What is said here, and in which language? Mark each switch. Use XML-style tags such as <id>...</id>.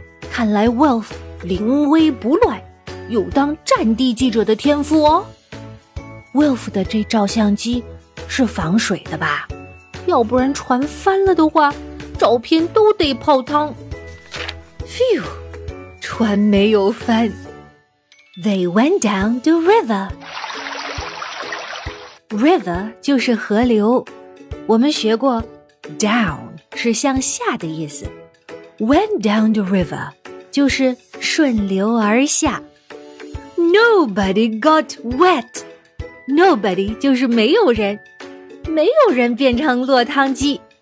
<zh>看来 Wolf 临危不乱，有当战地记者的天赋哦。 Wolf 的这照相机是防水的吧？要不然船翻了的话，照片都得泡汤。 Phew， 船没有翻。</zh> <en>They went down the river.</en> <zh>River 就是河流，我们学过</zh> <en>down</en> <zh>是向下的意思。</zh> <en>Went down the river</en> <zh>就是顺流而下。</zh> <en>Nobody got wet.</en> <zh>Nobody 就是没有人，没有人变成落汤鸡。</zh>